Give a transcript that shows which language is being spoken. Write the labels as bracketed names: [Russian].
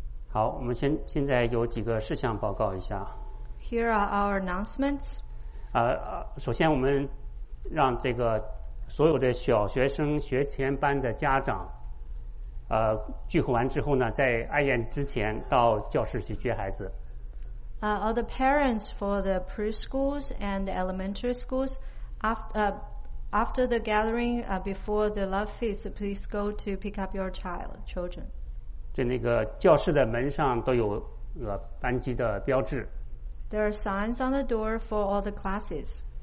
[Chinese] 好，我们现在有几个事项报告一下。 [English] Here are our announcements。 [Chinese] 首先我们让这个所有的小学生学前班的家长，聚会完之后呢，在爱宴之前到教室去接孩子。 [English] All the parents for the preschools and the elementary schools, after the gathering, before the love feast, please go to pick up your children. [Chinese] 在那个教室的门上都有班级的标志。 [English] There are signs on the door for all the classes.